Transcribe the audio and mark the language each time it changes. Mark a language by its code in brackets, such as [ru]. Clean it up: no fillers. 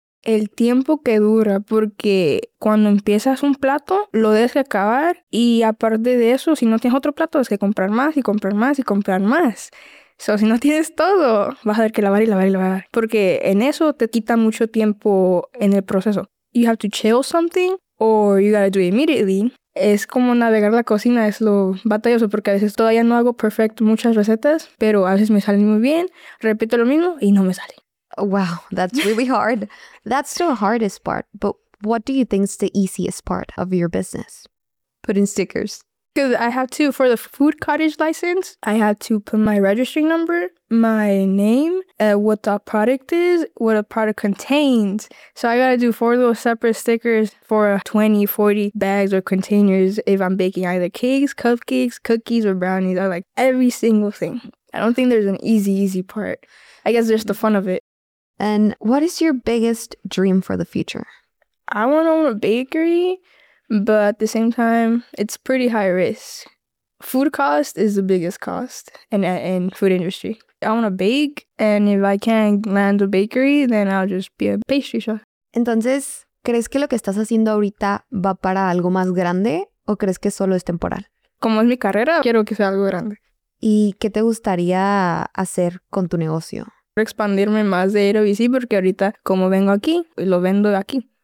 [es] El tiempo que dura, porque cuando empiezas un plato, lo debes de acabar. Y aparte de eso, si no tienes otro plato, es que comprar más y comprar más y comprar más. So, si no tienes todo, vas a tener que lavar y lavar y lavar. Porque en eso te quita mucho tiempo en el proceso. [en] You have to chill something or you gotta do it immediately. [es] Es como navegar la cocina, es lo batalloso, porque a veces todavía no hago perfecto muchas recetas, pero a veces me salen muy bien, repito lo mismo y no me sale. [en] Wow, that's really hard. That's the hardest part, but what do you think is the easiest part of your business? Putting stickers. Because I have to, for the food cottage license, I have to put my registry number, my name, what the product is, what a product contains. So I gotta do 4 little separate stickers for 20, 40 bags or containers if I'm baking either cakes, cupcakes, cookies, or brownies. I like every single thing. I don't think there's an easy part. I guess there's the fun of it. And what is your biggest dream for the future? I want to own a bakery, but at the same time, it's pretty high risk. Food cost is the biggest cost in food industry. I want to bake, and if I can't land a bakery, then I'll just be a pastry chef. [es] Entonces, ¿crees que lo que estás haciendo ahorita va para algo más grande o crees que solo es temporal? Como es mi carrera, quiero que sea algo grande. ¿Y qué te gustaría hacer con tu negocio? Expandirme más de AWC porque ahorita como vengo aquí, lo vendo aquí.